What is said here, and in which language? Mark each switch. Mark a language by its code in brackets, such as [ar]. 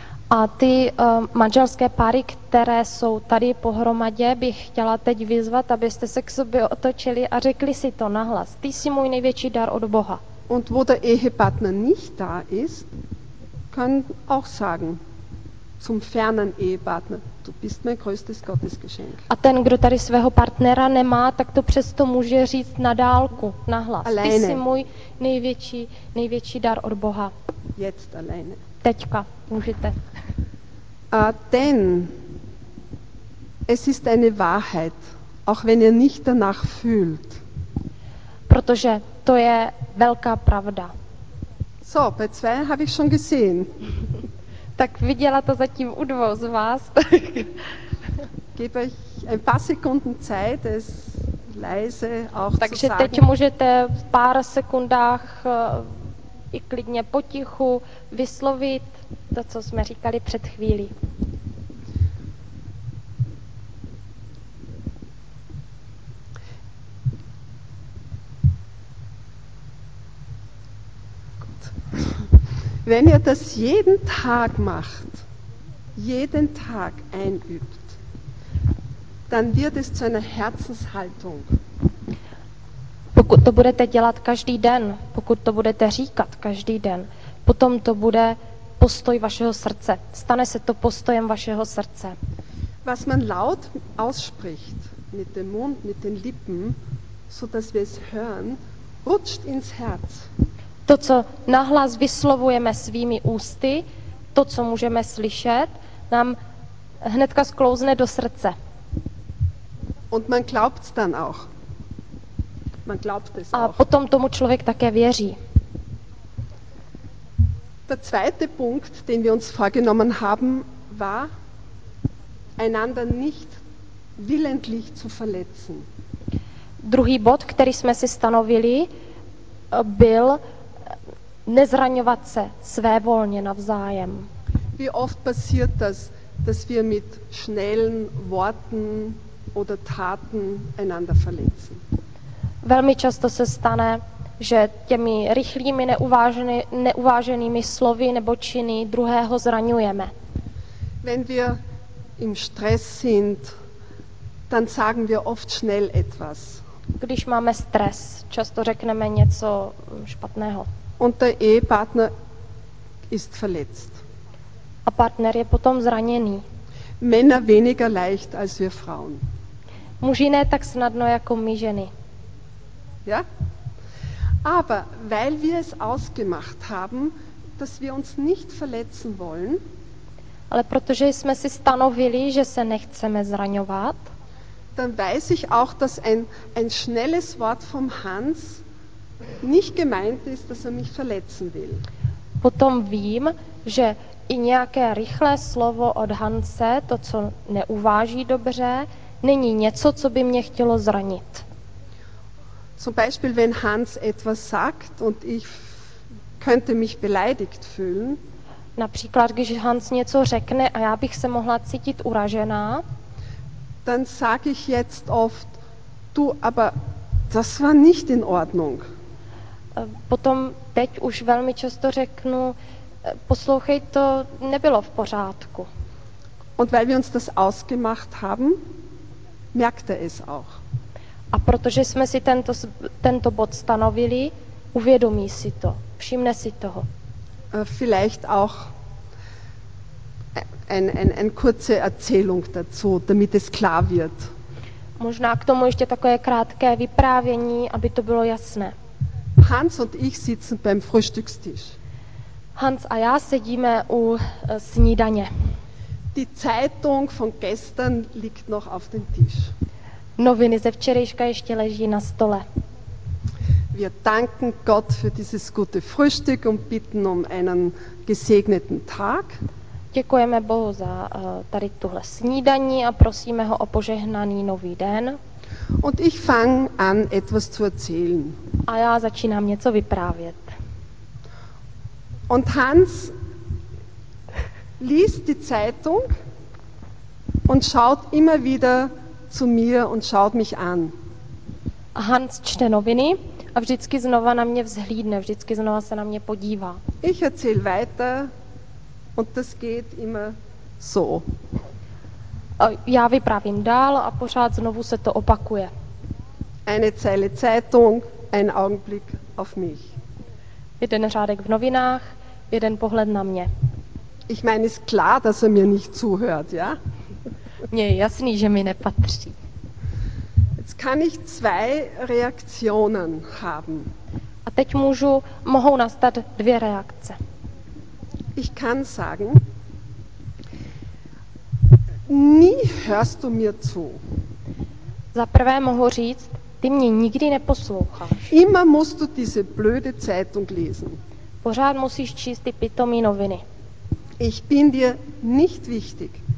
[cs] A ty manželské páry, které jsou tady pohromadě, bych chtěla teď vyzvat, abyste se k sobě otočili a řekli si to nahlas. Ty jsi můj největší dar od Boha. [de] Und wo der Ehepartner nicht da ist, kann auch sagen zum fernen Ehepartner, du bist mein größtes Gottesgeschenk. [cs] A ten, kdo tady svého partnera nemá, tak to přesto může říct na dálku, nahlas. [de] Alleine. [cs] Ty jsi můj největší dar od Boha. [de] Jetzt alleine. [cs] Teďka, můžete. [de] Denn es ist eine Wahrheit, auch wenn ihr nicht danach fühlt. [cs] Protože to je velká pravda. [de] So, bei zwei habe ich schon gesehen. [cs] Tak viděla to zatím u dvou z vás. [de] Gebe euch ein paar Sekunden Zeit, es leise auch [cs] Takže [de] zu sagen. [cs] Teď můžete v pár sekundách i klidně potichu vyslovit to, co jsme říkali před chvílí. [de] Wenn ihr das jeden Tag macht, jeden Tag einübt, dann wird es zu einer Herzenshaltung. [cs] Pokud to budete dělat každý den, pokud to budete říkat každý den, potom to bude postoj vašeho srdce. Stane se to postojem vašeho srdce. [de] Was man laut ausspricht mit dem Mund, mit den Lippen, so dass wir es hören, rutscht ins Herz. [cs] To, co nahlas vyslovujeme svými ústy, to, co můžeme slyšet, nám hnedka sklouzne do srdce. [de] Und man glaubt dann auch. Man glaubt es [cs] A [de] auch. [cs] Potom tomu člověk také věří. [de] Der zweite Punkt, den wir uns vorgenommen haben, war einander nicht willentlich zu verletzen. [cs] Druhý bod, který jsme si stanovili, byl nezraňovat se své volně navzájem. [de] Wie oft passiert das, dass wir mit schnellen Worten oder Taten einander verletzen? [cs] Velmi často se stane, že těmi rychlými neuváženými slovy nebo činy druhého zraňujeme. [de] Wenn wir im Stress sind, dann sagen wir oft schnell etwas. [cs] Když máme stres, často řekneme něco špatného. [de] Und der Ehepartner ist verletzt. [cs] A partner je potom zraněný. [de] Männer weniger leicht als wir Frauen. [cs] Muži ne tak snadno jako my ženy. [de] Ja? Aber weil wir es ausgemacht haben, dass wir uns nicht verletzen wollen, [cs] ale protože jsme si stanovili, že se nechceme zraňovat, [de] dann weiß ich auch, dass ein schnelles Wort vom Hans nicht gemeint ist, dass er mich verletzen will. [cs] Potom vím, že i nějaké rychlé slovo od Hanse, to, co neuváží dobře, není něco, co by mě chtělo zranit. [de] Zum Beispiel, wenn Hans etwas sagt und ich könnte mich beleidigt fühlen. [cs] Například, když Hans něco řekne a já bych se mohla cítit uražená, [de] dann sage ich jetzt oft, du, aber das war nicht in Ordnung. [cs] Potom teď už velmi často řeknu, poslouchej, to nebylo v pořádku. [de] Und weil wir uns das ausgemacht haben, merkt er es auch. [cs] A protože jsme si tento bod stanovili, uvědomí si to, všimne si toho. [de] Vielleicht auch ein kurze Erzählung dazu, damit es klar wird. [cs] Možná k tomu ještě takové krátké vyprávění, aby to bylo jasné. [de] Hans und ich sitzen beim Frühstückstisch. [cs] Hans a já sedíme u snídaně. [de] Die Zeitung von gestern liegt noch auf dem Tisch. [cs] Noviny ze včerejška ještě leží na stole. [de] Wir danken Gott für dieses gute Frühstück und bitten um einen gesegneten Tag. [cs] Děkujeme Bohu za tady tuhle snídaní a prosíme ho o požehnaný nový den. [de] Und ich fange an etwas zu erzählen. [cs] A já začínám něco vyprávět. [de] Und Hans liest die Zeitung und schaut immer wieder zu mir und schaut mich an. [cs] Hans čte noviny a vždycky znova na mě vzhlídne, vždycky znova se na mě podívá. [de] Ich erzähl weiter Und das geht immer so. [cs] Já vyprávím dál a pořád znovu se to opakuje. [de] Eine Zeile Zeitung, ein Augenblick auf mich. [cs] Jeden řádek v novinách, jeden pohled na mě. [de] Ich meine, ist klar, dass er mir nicht zuhört, ja? [cs] Mně je jasný, že mi nepatří. [de] Jetzt kann ich zwei Reaktionen haben. [cs] A teď mohou nastat dvě reakce. [de] Ich kann sagen, nie hörst du mir zu. [cs] Za prvé mohu říct, ty mě nikdy neposloucháš. [de] Immer musst du diese blöde Zeitung lesen. [cs] Pořád musíš číst ty pitomí noviny. [de] Ich bin dir nicht wichtig.